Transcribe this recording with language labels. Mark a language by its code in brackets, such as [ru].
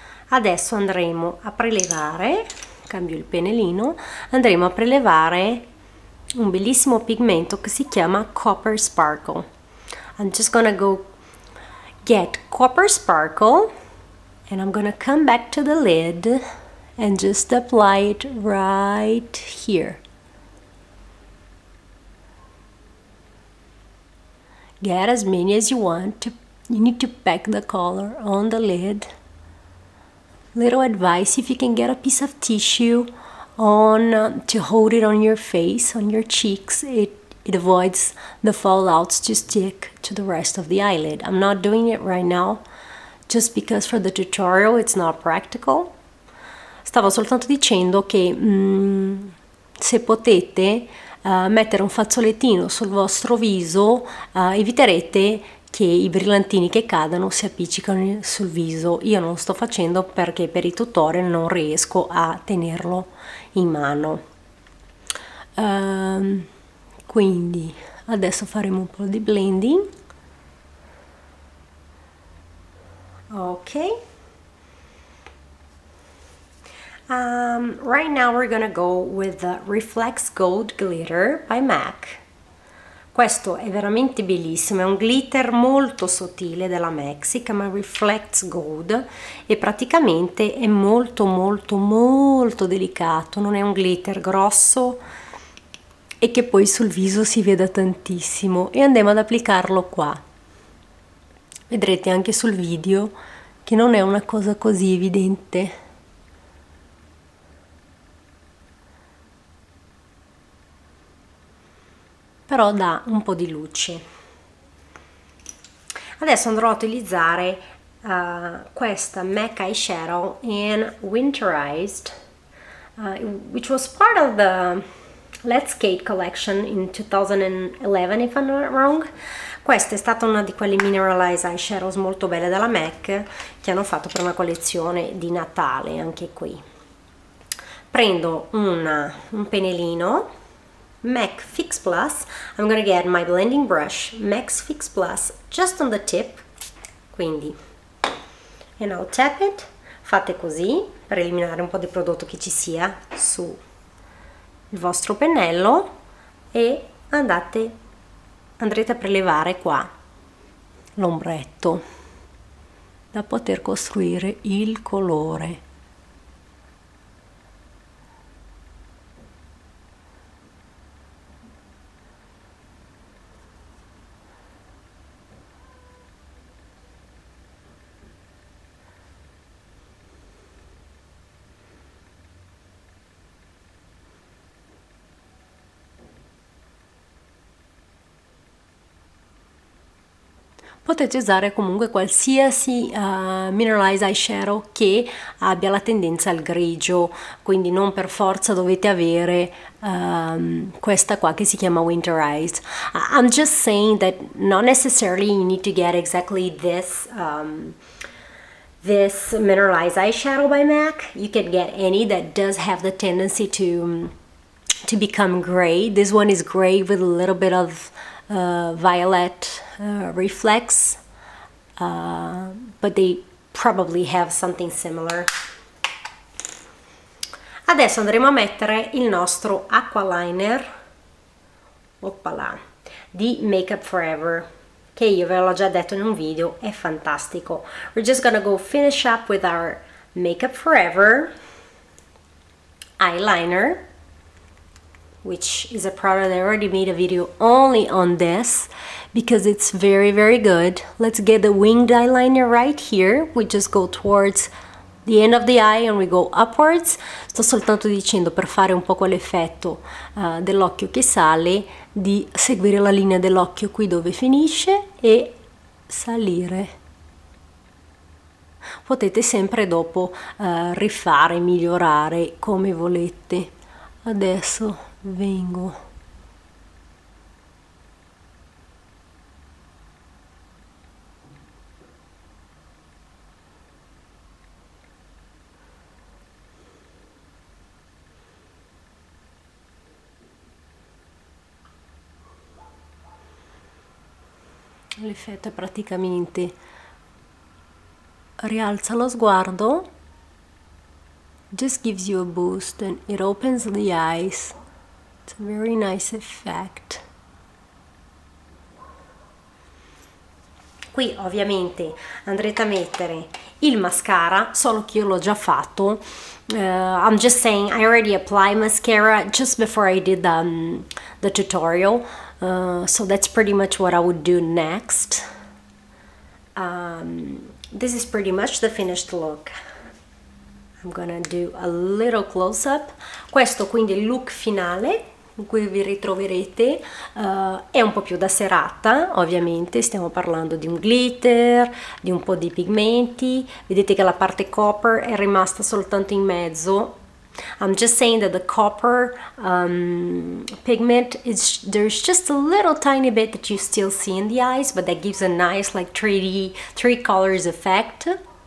[it] Adesso andremo a prelevare, cambio il pennellino, andremo a prelevare un bellissimo pigmento che si chiama Copper Sparkle. [en] I'm just gonna go get Copper Sparkle and I'm gonna come back to the lid and just apply it right here. Get as many as you want. You need to pack the color on the lid. Little advice, if you can get a piece of tissue on to hold it on your face, on your cheeks, it avoids the fallouts to stick to the rest of the eyelid. I'm not doing it right now just because for the tutorial it's not practical. [it] Stavo soltanto dicendo che se potete mettere un fazzolettino sul vostro viso, eviterete che i brillantini che cadano si appiccicano sul viso. Io non lo sto facendo perché per i tutorial non riesco a tenerlo in mano. Quindi adesso faremo un po' di blending. Ok. [en] Right now we're gonna go with the Reflex Gold Glitter by MAC. [it] Questo è veramente bellissimo, è un glitter molto sottile della Mexica, ma reflects gold e praticamente è molto molto molto delicato, non è un glitter grosso e che poi sul viso si veda tantissimo. E andiamo ad applicarlo qua. Vedrete anche sul video che non è una cosa così evidente. Però dà un po' di luce. Adesso andrò a utilizzare questa [en] MAC Eyeshadow in Winterized, which was part of the Let's Skate Collection in 2011, if I'm not wrong. [it] Questa è stata una di quelle Mineralize Eyeshadows molto belle della MAC che hanno fatto per una collezione di Natale, anche qui. Prendo un pennellino MAC Fix Plus. [en] I'm gonna get my blending brush MAC Fix Plus just on the tip, [it] quindi, [en] and I'll tap it. [it] Fate così per eliminare un po' di prodotto che ci sia su il vostro pennello e andrete a prelevare qua l'ombretto da poter costruire il colore. Potete usare comunque qualsiasi Mineralize Eyeshadow che abbia la tendenza al grigio, quindi non per forza dovete avere questa qua che si chiama Winterized. [en] I'm just saying that not necessarily you need to get exactly this Mineralize Eyeshadow by MAC. You can get any that does have the tendency to become gray. This one is gray with a little bit of violet reflex, but they probably have something similar. [it] Adesso andremo a mettere il nostro aqualiner, oppala, di Makeup Forever, che io ve l'ho già detto in un video, è fantastico. [en] We're just gonna go finish up with our Makeup Forever eyeliner, which is a product I already made a video only on this because it's very, very good. Let's get the winged eyeliner right here. We just go towards the end of the eye and we go upwards. [it] Sto soltanto dicendo per fare un po' quell'effetto dell'occhio che sale, di seguire la linea dell'occhio qui dove finisce e salire. Potete sempre dopo rifare, migliorare come volete. Adesso vengo l'effetto è praticamente rialza lo sguardo, [en] just gives you a boost and it opens the eyes. It's a very nice effect. [it] Qui ovviamente andrete a mettere il mascara, solo che io l'ho già fatto. [en] I'm just saying, I already applied mascara just before I did the tutorial, so that's pretty much what I would do next. This is pretty much the finished look. I'm gonna do a little close up. [it] Questo quindi è il look finale in cui vi ritroverete, è un po' più da serata, ovviamente, stiamo parlando di un glitter, di un po' di pigmenti, vedete che la parte copper è rimasta soltanto in mezzo. [en] I'm just saying that the copper pigment is there's just a little tiny bit that you still see in the eyes, but that gives a nice like 3D, three colors effect.